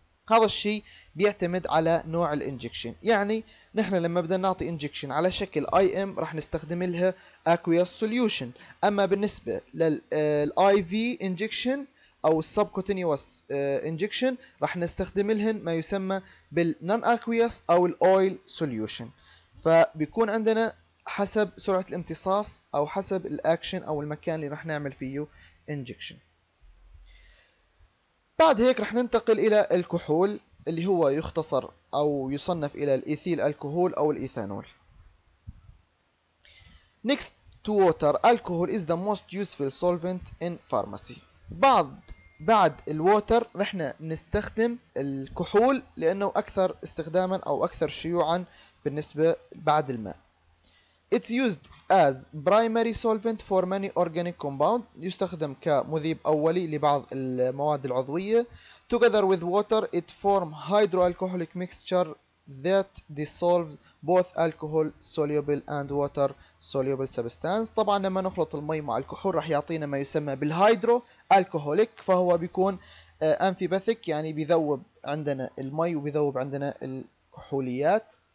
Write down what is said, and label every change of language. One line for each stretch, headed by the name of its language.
Arabic: هذا الشيء بيعتمد على نوع الانجكشن، يعني نحن لما بدنا نعطي انجكشن على شكل IM راح نستخدم لها
English: aqueous solution،
Arabic: اما بالنسبه للIV انجكشن او
English: subcutaneous injection
Arabic: راح نستخدم لهن ما يسمى بال
English: non aqueous
Arabic: او الاويل solution. فبيكون عندنا حسب سرعة الامتصاص أو حسب الأكشن أو المكان اللي رح نعمل فيه إنجكشن. بعد هيك رح ننتقل إلى الكحول اللي هو يختصر أو يصنف إلى الإيثيل الكحول أو الإيثانول.
English: Next to water, alcohol is the most useful solvent in pharmacy.
Arabic: بعد الووتر رحنا نستخدم الكحول لأنه أكثر استخداما أو أكثر شيوعا بالنسبة بعد الماء.
English: It's used as primary solvent for many organic compounds.
Arabic: يستخدم كمذيب أولي لبعض المواد العضوية.
English: Together with water, it forms hydroalcoholic mixture that dissolves both alcohol soluble and water soluble substance.
Arabic: طبعا لما نخلط المي مع الكحول رح يعطينا ما يسمى بالهايدرو الكحوليك، فهو بيكون انفيباثيك، يعني بيذوب عندنا المي وبيذوب عندنا الكحوليات.